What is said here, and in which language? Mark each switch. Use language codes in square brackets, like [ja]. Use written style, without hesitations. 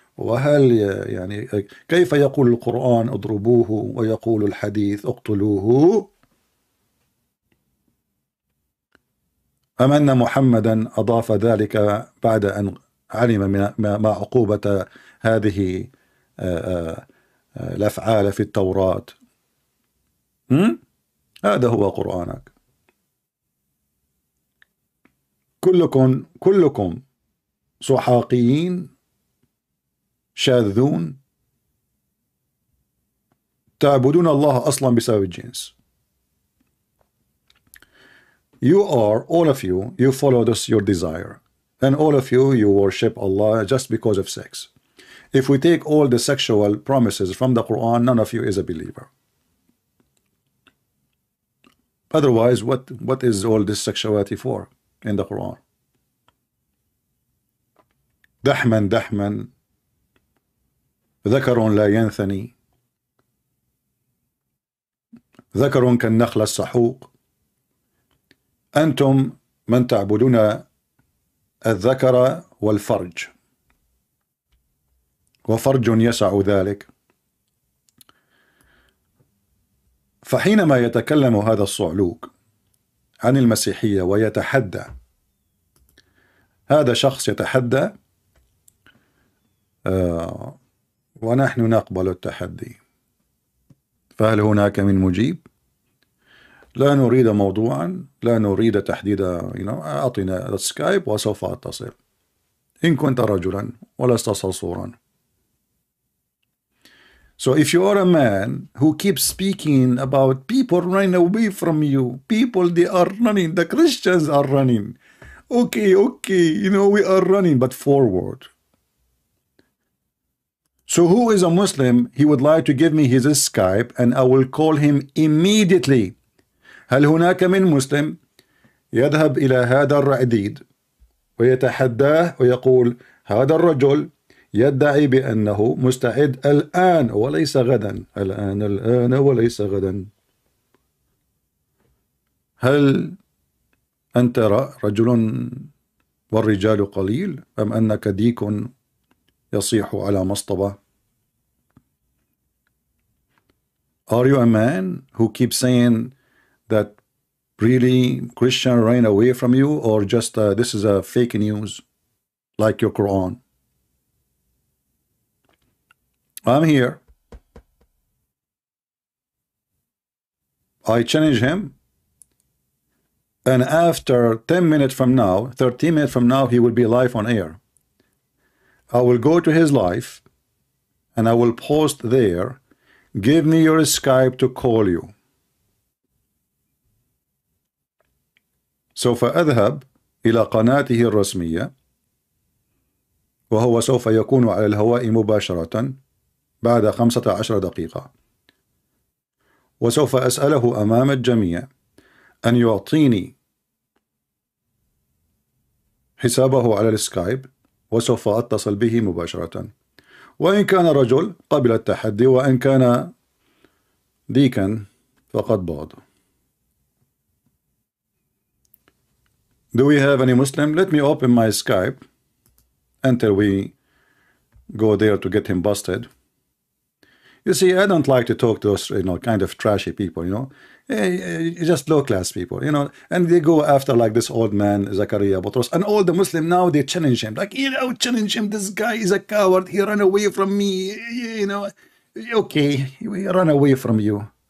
[ar] وهل يعني كيف يقول القرآن اضربوه ويقول الحديث اقتلوه؟ أم أن محمدا أضاف ذلك بعد أن علم ما عقوبة هذه الأفعال في التوراة؟ هذا هو قرآنك. كلكم سحاقيين شاذون تعبدون الله أصلا بسبب الجنس. [en] You are all of you, you follow this your desire, and all of you, you worship Allah just because of sex. If we take all the sexual promises from the Quran, none of you is a believer. Otherwise, what is all this sexuality for in the Quran? [ar] دحمن دحمن ذكر لا ينثني ذكر كالنخل السحوق. أنتم من تعبدون الذكر والفرج وفرج يسع ذلك. ف فحينما يتكلم هذا الصعلوك عن المسيحية ويتحدى، هذا شخص يتحدى ونحن نقبل التحدي، فهل هناك من مجيب؟ لا نريد موضوعا، لا نريد تحديدا، أعطينا السكايب وسوف أتصل إن كنت رجلا ولست صرصورا. [en] So if you are a man who keeps speaking about people running away from you, people they are running, the Christians are running. Okay, we are running, but forward. So who is a Muslim, he would like to give me his Skype and I will call him immediately. [ar] هل هناك من مسلم يذهب إلى هذا الرعديد ويتحداه ويقول هذا الرجل يدعي بأنه مستعد الآن وليس غدا، الآن وليس غدا. هل أنت رجل والرجال قليل أم أنك ديك يصيح على مصطبة؟ [en] Are you a man who keeps saying that really Christian ran away from you or just this is a fake news like your Quran? I'm here. I challenge him. And after 10 minutes from now, 13 minutes from now, he will be live on air. I will go to his live and I will post there. Give me your Skype to call you. [ar] سوف أذهب إلى قناته الرسمية وهو سوف يكون على الهواء مباشرة بعد 15 دقيقة، وسوف أسأله أمام الجميع أن يعطيني حسابه على السكايب وسوف أتصل به مباشرة. وإن كان رجل قبل التحدي، وإن كان ديكن فقد بعض. [en] Do we have any Muslim? Let me open my Skype until we go there to get him busted. You see, I don't like to talk to those, kind of trashy people, just low-class people, and they go after like this old man, Zakaria Butros, and all the Muslim now, they challenge him, challenge him, this guy is a coward, he ran away from me, okay, we run away from you.